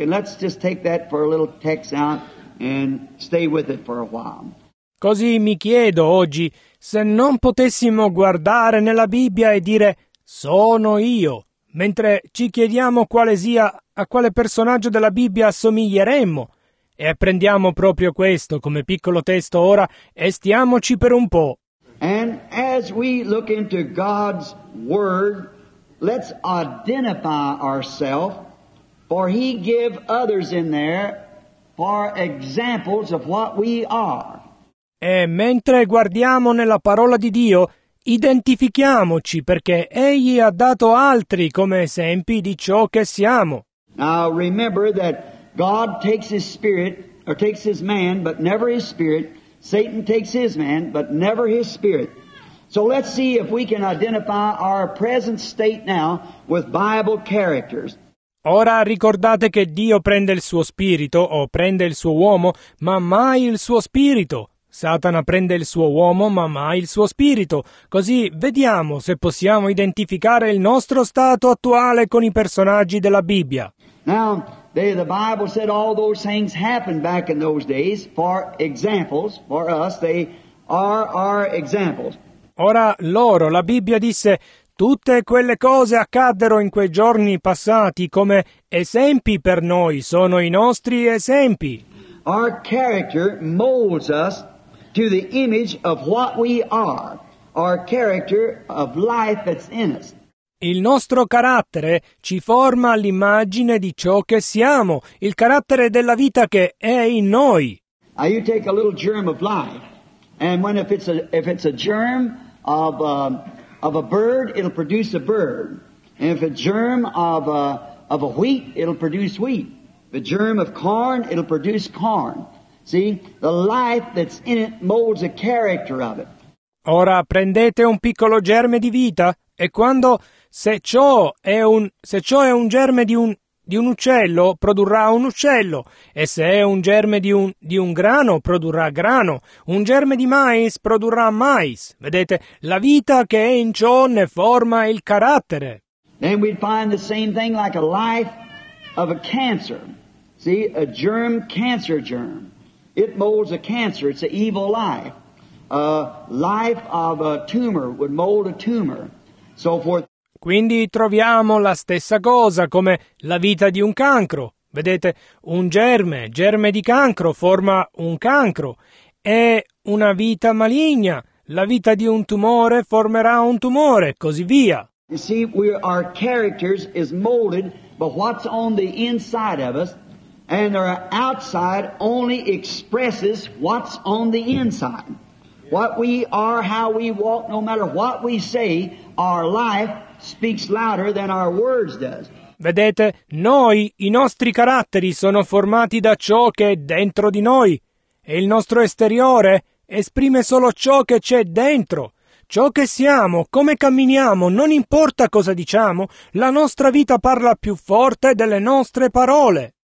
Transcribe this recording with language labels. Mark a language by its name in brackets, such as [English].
[English] And let's just take that for a little text out and stay with it for a while. [Italian] Così mi chiedo oggi, se non potessimo guardare nella Bibbia e dire sono io, mentre ci chiediamo quale sia, a quale personaggio della Bibbia assomiglieremmo, e prendiamo proprio questo come piccolo testo ora e stiamoci per un po'. [English] And as we look into God's Word, let's identify ourselves. For he gave others in there for examples of what we are. [Italian] E mentre guardiamo nella parola di Dio, identifichiamoci perché egli ha dato altri come esempi di ciò che siamo. [English] Now remember that God takes his spirit, or takes his man, but never his spirit. Satan takes his man, but never his spirit. So let's see if we can identify our present state now with Bible characters. [Italian] Ora ricordate che Dio prende il suo spirito, o prende il suo uomo, ma mai il suo spirito. Satana prende il suo uomo, ma mai il suo spirito. Così vediamo se possiamo identificare il nostro stato attuale con i personaggi della Bibbia. [English] Now, the Bible said all those things happened back in those days for examples, for us, they are our examples. [Italian] Ora loro, la Bibbia disse, tutte quelle cose accaddero in quei giorni passati come esempi per noi, sono i nostri esempi. [English] Our character molds us to the image of what we are, our character of life that's in us. [Italian] Il nostro carattere ci forma all'immagine di ciò che siamo, il carattere della vita che è in noi. [English] Now you take a little germ of life, and when if it's a germ of a bird, it'll produce a bird. And if a germ of a wheat, it'll produce wheat. If a germ of corn, it'll produce corn. See, the life that's in it molds the character of it. [Italian] Ora prendete un piccolo germe di vita e quando se ciò è un germe di un uccello, produrrà un uccello. E se è un germe di un grano, produrrà grano. Un germe di mais, produrrà mais. Vedete, la vita che è in ciò ne forma il carattere. [English] Then we'd find the same thing like a life of a cancer. See, a germ, cancer germ. It molds a cancer, it's an evil life. A life of a tumor would mold a tumor. So forth. [Italian] Quindi troviamo la stessa cosa come la vita di un cancro. Vedete, un germe di cancro forma un cancro. E una vita maligna, la vita di un tumore formerà un tumore, così via. [English] You see, our characters is molded but what's on the inside of us, and our outside only expresses what's on the inside. What we are, how we walk, no matter what we say, our life speaks louder than our words does. [Italian] Vedete, noi, i nostri caratteri sono formati da ciò che è dentro di noi, e il nostro esteriore esprime solo ciò che c'è dentro. Ciò che siamo, come camminiamo, non importa cosa diciamo, la nostra vita parla più forte delle nostre parole.